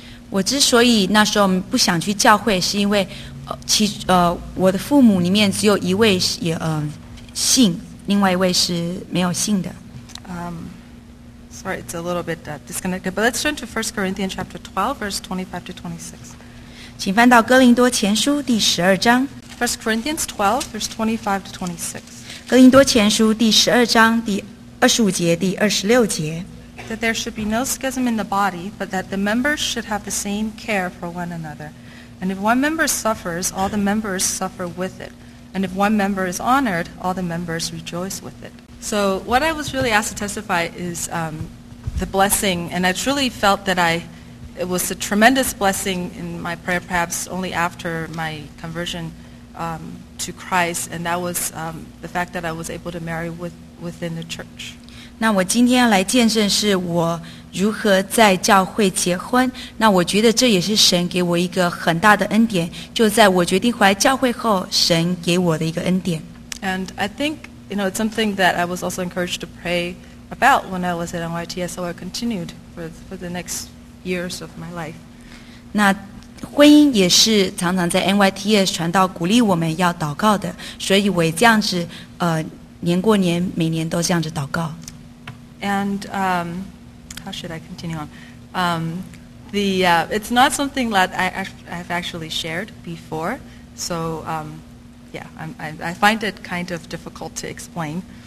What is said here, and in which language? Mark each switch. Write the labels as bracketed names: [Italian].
[Chinese] 我之所以那时候不想去教会，是因为我的父母里面只有一位也信。另外一位是没有信的。 [English] Sorry, it's a little bit disconnected, but let's turn to 1 Corinthians chapter 12, verse 25 to 26. [Chinese] 请翻到哥林多前书第十二章。 [English] 1 Corinthians 12, verse 25 to 26. [Chinese] 哥林多前书第十二章第二十五节第二十六节。 [English] That there should be no schism in the body, but that the members should have the same care for one another. And if one member suffers, all the members suffer with it. And if one member is honored, all the members rejoice with it. So what I was really asked to testify is the blessing. And I truly felt that it was a tremendous blessing in my prayer, perhaps only after my conversion to Christ. And that was the fact that I was able to marry within the church. [Chinese] 那我今天要来见证是我如何在教会结婚。那我觉得这也是神给我一个很大的恩典，就在我决定回来教会后，神给我的一个恩典。 [English] And I think, you know, it's something that I was also encouraged to pray about when I was at NYTS, so I continued for the next years of my life. [Chinese] 那婚姻也是常常在 NYTS 传道鼓励我们要祷告的，所以我也这样子年过年每年都这样子祷告。 [English] And how should I continue on? It's not something that I've actually shared before, so I find it kind of difficult to explain.